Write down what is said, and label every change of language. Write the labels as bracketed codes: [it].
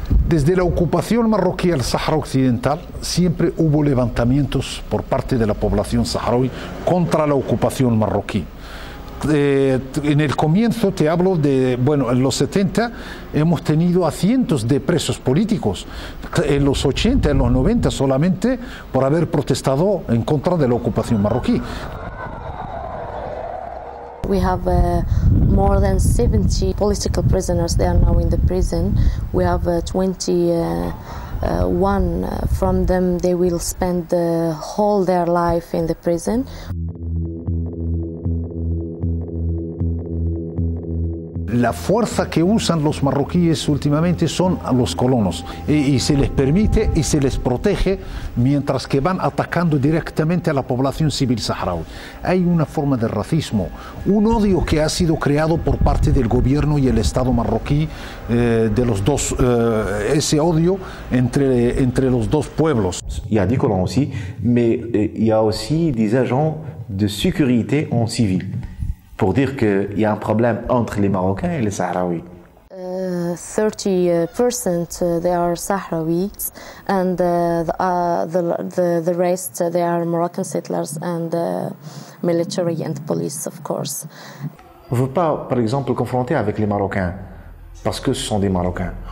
[es] Desde la ocupación marroquí al Sahara Occidental, siempre hubo levantamientos por parte de la población saharaui contra la ocupación marroquí. En el comienzo te hablo de, bueno, en los 70 hemos tenido a cientos de presos políticos, en los 80, en los 90 solamente por haber protestado en contra de la ocupación marroquí. [en] We have more than 70 political prisoners, they are now in the prison. We have 20 one from them, they will spend the whole their life in the prison. [es] La fuerza que usan los marroquíes últimamente son a los colonos y se les permite y se les protege mientras que van atacando directamente a la población civil saharaui. Hay una forma de racismo, un odio que ha sido creado por parte del gobierno y el Estado marroquí, de los dos, ese odio entre los dos pueblos. [fr] Y a des colons aussi, mais y a aussi des agents de sécurité en civil. Pour dire qu'il y a un problème entre les Marocains et les Sahraouis. [en] 30% they are Sahraouis and the rest they are Moroccan settlers and military and police of course. [fr] On ne veut pas par exemple confronter avec les Marocains parce que ce sont des Marocains.